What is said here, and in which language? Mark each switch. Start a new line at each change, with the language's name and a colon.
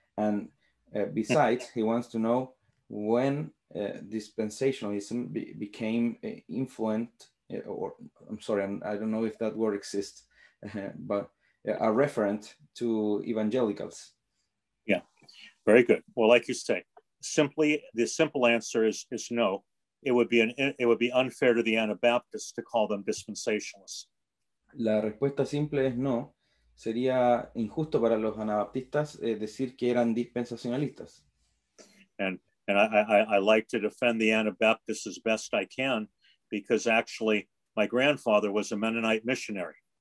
English: And besides, he wants to know when dispensationalism became influent, or I'm sorry, I don't know if that word exists, but a referent to evangelicals. Yeah, very good. Well, like you say, simply, the simple answer is no. It would be unfair to the Anabaptists to call them dispensationalists.
Spanish: La respuesta simple es no. Sería injusto para los anabaptistas decir que eran dispensacionalistas.
English: And I like to defend the Anabaptists as best I can, because actually my grandfather was a Mennonite missionary.